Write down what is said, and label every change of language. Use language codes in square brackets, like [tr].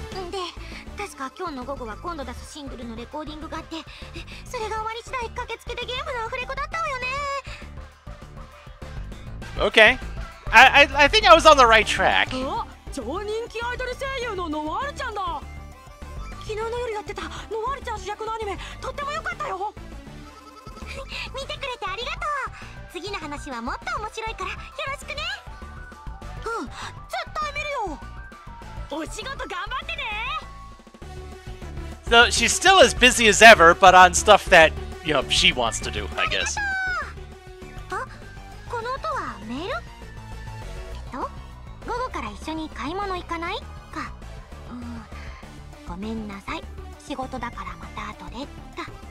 [ja] で、確か今日の午後は今度出すシングルのレコーディングがあって、それが終わり次第駆けつけてゲームのアフレコだったわよね。 [en] Okay. I think I was on the right track. [ja] 超人気アイドル声優のノワールちゃんだ。昨日の夜やってたノワールちゃん主役のアニメ、とっても良かったよ。見てくれてありがとう。次の話はもっと面白いからよろしくね。うん、絶対見るよ。お仕事頑張ってね。 [en] So she's still as busy as ever, but on stuff that, you know, she wants to do, I guess. [ja] あ、この音はメール？午後から一緒に買い物行かないか。うん、ごめんなさい。仕事だからまた後でか。